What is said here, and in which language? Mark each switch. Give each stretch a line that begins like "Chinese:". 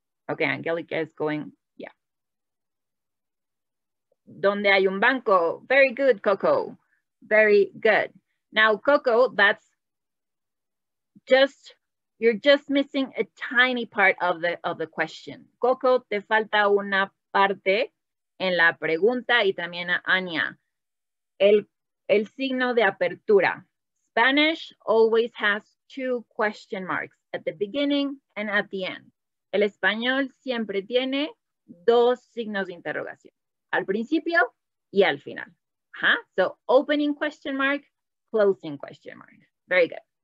English: Okay, Angelica is going, yeah.
Spanish: ¿Dónde hay un banco?
English: Very good, Coco. Very good. Now, Coco, that's just, you're just missing a tiny part of the question.
Spanish: Coco, te falta una parte en la pregunta y también a Anya. El signo de apertura.
English: Spanish always has 2 question marks at the beginning and at the end.
Spanish: El español siempre tiene 2 signos de interrogación. Al principio y al final.
English: Huh? So opening question mark, closing question mark. Very good.